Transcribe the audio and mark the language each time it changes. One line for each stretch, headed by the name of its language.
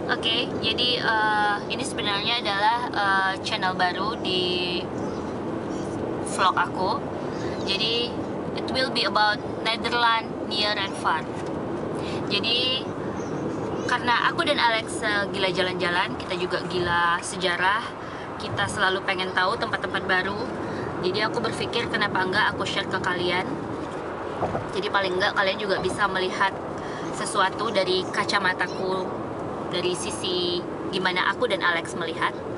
Indonesian: Okay, jadi ini sebenarnya adalah channel baru di vlog aku.
English: Jadi it will be about Netherlands near and far.
Indonesian: Jadi karena aku dan Alex gila jalan-jalan, kita juga gila sejarah. Kita selalu pengen tahu tempat-tempat baru. Jadi aku berpikir kenapa enggak aku share ke kalian. Jadi paling enggak kalian juga bisa melihat sesuatu dari kacamataku, dari sisi gimana aku dan Alex melihat.